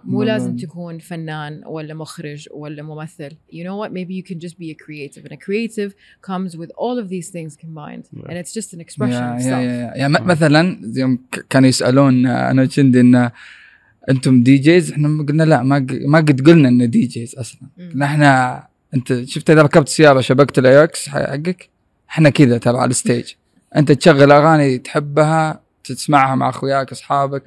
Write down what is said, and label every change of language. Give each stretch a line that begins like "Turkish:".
Arabic: مو لازم تكون فنان ولا مخرج ولا ممثل.
English: You know what? Maybe you can just be a creative. And a creative comes with all of these things combined. Yeah. And it's just an expression yeah, of yeah, self. Yeah, yeah.
Arabic: Yeah, مثلا يوم كانوا يسألون أنا شندي إن أنتم دي جيز، إحنا قلنا لا ما قد قلنا إن دي جيز أصلا. نحن أنت شفت إذا ركبت سيارة شبكت الأيوكس حقك، إحنا كذا ترى على الستيج. أنت تشغل أغاني تحبها تسمعها مع اخوياك اصحابك،